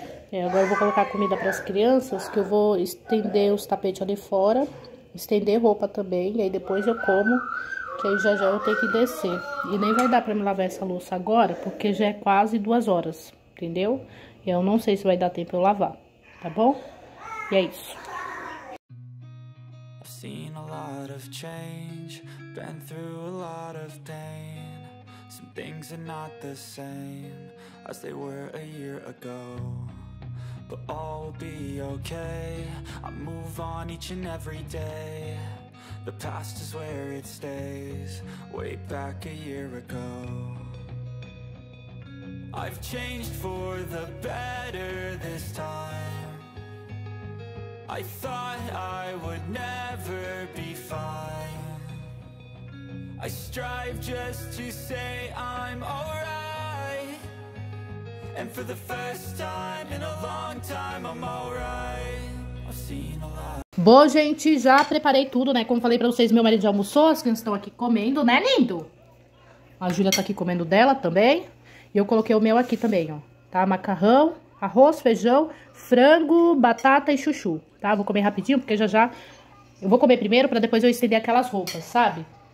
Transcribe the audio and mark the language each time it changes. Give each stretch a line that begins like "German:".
Portuguese: E agora eu vou colocar a comida para as crianças, que eu vou estender os tapetes ali fora, estender roupa também, e aí depois eu como, que aí já eu tenho que descer. E nem vai dar para me lavar essa louça agora, porque já é quase 2 horas, entendeu? E eu não sei se vai dar tempo eu lavar, tá bom? E é isso.
English: I've seen a lot of change, been through a lot of pain. Some things are not the same as they were a year ago. But all will be okay, I move on each and every day. The past is where it stays, way back a year ago. I've changed for the better this time. I thought I would never be fine. I strive just to say I'm alright. And for the first time in a long time, I'm alright. I've seen a lot.
Portuguese: Bom, gente, já preparei tudo, né? Como falei pra vocês, meu marido já almoçou, as crianças estão aqui comendo, né, lindo? A Júlia tá aqui comendo dela também. E eu coloquei o meu aqui também, ó. Tá? Macarrão, arroz, feijão, frango, batata e chuchu, tá? Vou comer rapidinho, porque já já... Eu vou comer primeiro, pra depois eu estender aquelas roupas, sabe?